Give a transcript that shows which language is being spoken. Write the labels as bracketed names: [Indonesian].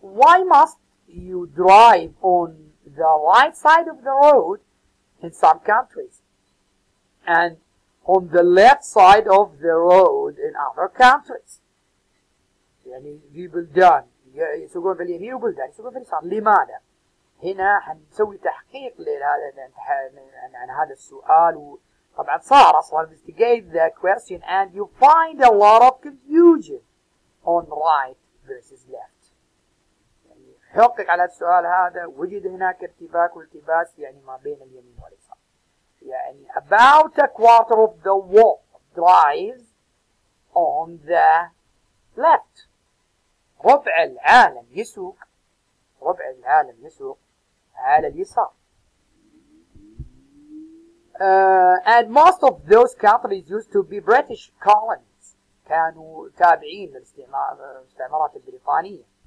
[English] Why must you drive on the right side of the road in some countries and on the left side of the road in other countries؟ [Arabic] يعني في بلدان يسوقون في اليمين وبلدان يسوقون في اليسار، لماذا؟ هنا حنسوي تحقيق لهذا عن هذا السؤال. طبعا صار اصلا [English] investigate the question and you find a lot of confusion on right versus left. [Arabic] يعني حقق على السؤال هذا، وجد هناك ارتباك والتباس يعني ما بين اليمين واليسار. [English] يعني about a quarter of the world drives on the left. [Arabic] ربع العالم يسوق، ربع العالم يسوق على اليسار. [English] And most of those countries used to be British colonies. [Arabic] كانوا تابعين للاستعمارات البريطانية.